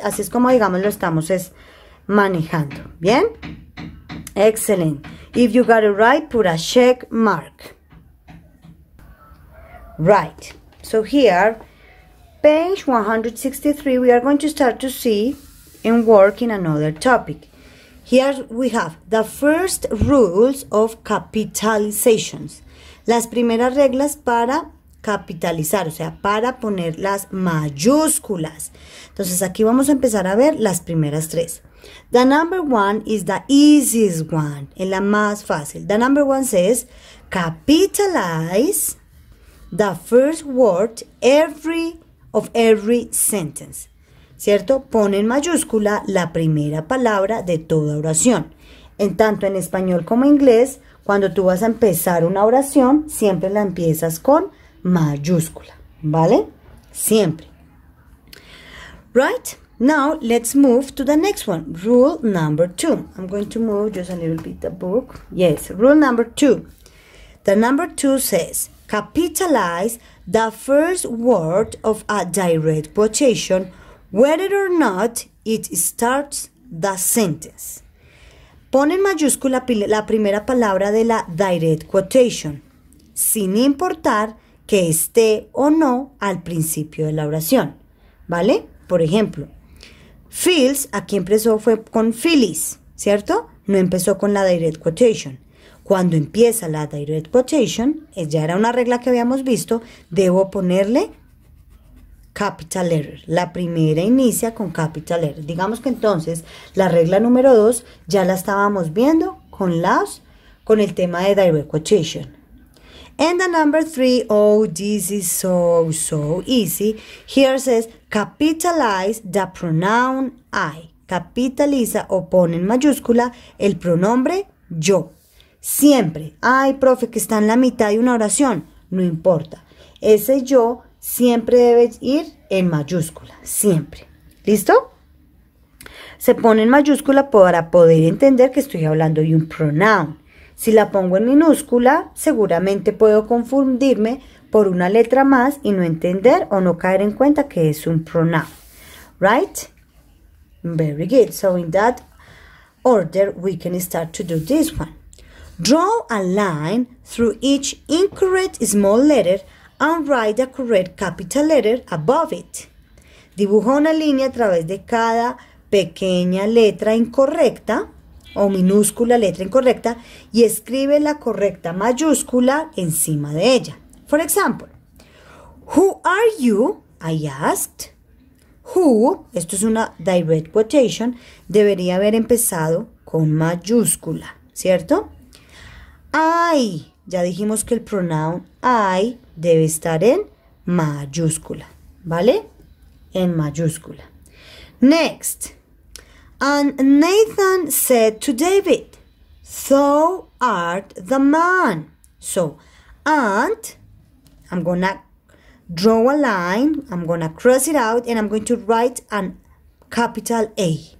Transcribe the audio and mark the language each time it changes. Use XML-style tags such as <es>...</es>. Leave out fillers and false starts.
<es>Así es como, digamos, lo estamos es manejando, ¿bien?</es> <en>Excellent. If you got it right, put a check mark. Right. So here, page 163, we are going to start to see and work in another topic. Here we have the first rules of capitalizations.</en> <es>Las primeras reglas para capitalizar, o sea, para poner las mayúsculas. Entonces aquí vamos a empezar a ver las primeras tres.</es> <en>The number one is the easiest one,</en> <es>es la más fácil.</es> <en>The number one says, capitalize the first word of every sentence.</en> <es>¿Cierto? Pone en mayúscula la primera palabra de toda oración. En tanto en español como en inglés, cuando tú vas a empezar una oración, siempre la empiezas con mayúscula. ¿Vale? Siempre.</es> <en>Right? Now, let's move to the next one. Rule number two. I'm going to move just a little bit the book. Yes, rule number two. The number two says, capitalize the first word of a direct quotation, whether or not it starts the sentence.</en> <es>Pon en mayúscula la primera palabra de la direct quotation, sin importar que esté o no al principio de la oración. ¿Vale? Por ejemplo, Phyllis, aquí empezó fue con Phyllis, ¿cierto? No empezó con la direct quotation. Cuando empieza la direct quotation, ya era una regla que habíamos visto, debo ponerle capital letter. La primera inicia con capital letter. Digamos que entonces la regla número 2 ya la estábamos viendo con el tema de direct quotation.</es> <en>And the number 3, oh, this is so, so easy. Here says, capitalize the pronoun I.</en> <es>Capitaliza o pone en mayúscula el pronombre yo. Siempre. Ay, profe, que está en la mitad de una oración. No importa. Ese yo siempre debe ir en mayúscula. Siempre. ¿Listo? Se pone en mayúscula para poder entender que estoy hablando de un pronoun. Si la pongo en minúscula, seguramente puedo confundirme por una letra más y no entender o no caer en cuenta que es un pronoun.</es> <en>Right? Very good. So in that order, we can start to do this one. Draw a line through each incorrect small letter and write a correct capital letter above it.</en> <es>Dibuja una línea a través de cada pequeña letra incorrecta o minúscula letra incorrecta, y escribe la correcta mayúscula encima de ella.</es> <en>For example, who are you? I asked.</en> <es>Who, esto es una direct quotation, debería haber empezado con mayúscula, ¿cierto? I, ya dijimos que el pronoun I debe estar en mayúscula, ¿vale? En mayúscula.</es> <en>Next. And Nathan said to David, thou art the man. So, and, I'm gonna draw a line, I'm gonna cross it out, and I'm going to write a capital A.</en>